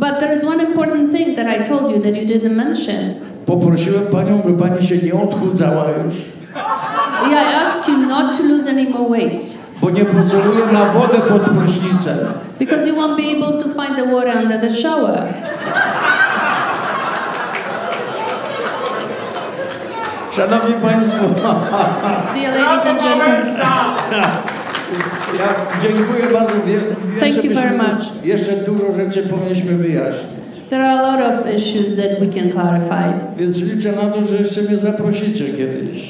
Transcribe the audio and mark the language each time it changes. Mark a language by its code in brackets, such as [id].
[en] But there is one important thing that I told you that you didn't mention. [pl] Poprosiłem panią, by pani się nie odchudzała już. [en] Yeah, I ask you not to lose any more weight. [pl] Bo nie pozoruję na wodę pod prysznicem. [en] Because you won't be able to find the water under the shower. [pl] Szanowni Państwo. [en] Dear ladies and gentlemen. [pl] Ja dziękuję bardzo. [en] Thank you very much. [pl] Jeszcze dużo rzeczy powinniśmy wyjaśnić. [en] There are a lot of issues that we can clarify. [pl] Więc liczę na to, że jeszcze mnie zaprosicie kiedyś.